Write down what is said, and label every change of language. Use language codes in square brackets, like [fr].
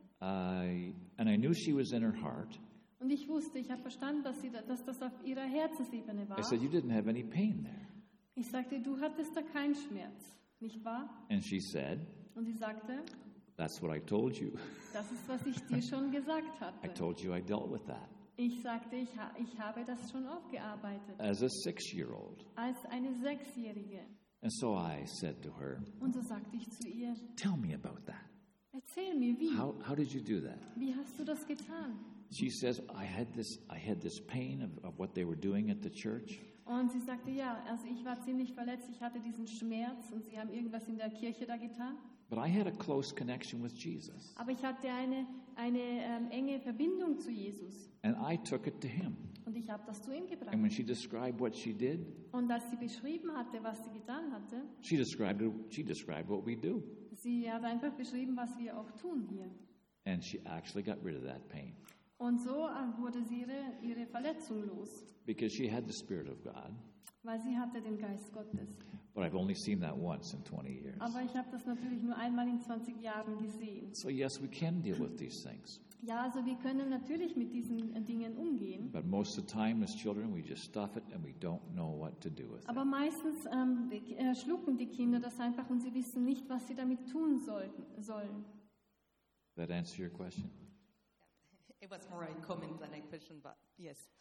[en] and I knew she was in her heart. [de] Und ich wusste, ich habe verstanden, dass, sie da, dass das auf ihrer Herzensebene war. [en] I said, you didn't have any pain there. [de] Ich sagte, du hattest da keinen Schmerz, nicht wahr? [en] And she said, [de] und sie sagte, [en] that's what I told you. [de] Das ist, was ich dir schon gesagt hatte. [en] I told you I dealt with that. [de] Ich sagte, ich habe das schon aufgearbeitet. [en] As a six-year-old. [de] Als eine Sechsjährige. [en] And so I said to her, [de] und so sagte ich zu ihr, [en] tell me about that. [de] Erzähl mir, wie. [en] How did you do that? [de] Wie hast du das getan? [en] She says, I had this pain of what they were doing at the church. [de] Und sie sagte, ja, also ich war ziemlich verletzt, ich hatte diesen Schmerz und sie haben irgendwas in der Kirche da getan. [en] But I had a close connection with Jesus. [de] Aber ich hatte eine enge Verbindung zu Jesus. [en] And I took it to him. [de] Und ich habe das zu ihm gebracht. [en] And when she described what she did, [de] und als sie beschrieben hatte, was sie getan hatte, [en] she described what we do. [de] Sie hat einfach beschrieben, was wir auch tun hier. [en] And she actually got rid of that pain. [de] Und so wurde sie ihre Verletzung los. [en] Because she had the Spirit of God. [de] Weil sie hatte den Geist Gottes. [en] But I've only seen that once in 20 years. [de] Aber ich habe das natürlich nur einmal in 20 Jahren gesehen. [en] So yes, we can deal with these things. [de] Ja, also wir können natürlich mit diesen Dingen umgehen. [en] But most of the time as children we just stuff it and we don't know what to do with it. [de] Aber meistens schlucken die Kinder das einfach und sie wissen nicht, was sie damit tun sollen. [en] That answer your question? It was more a comment than a question, but yes.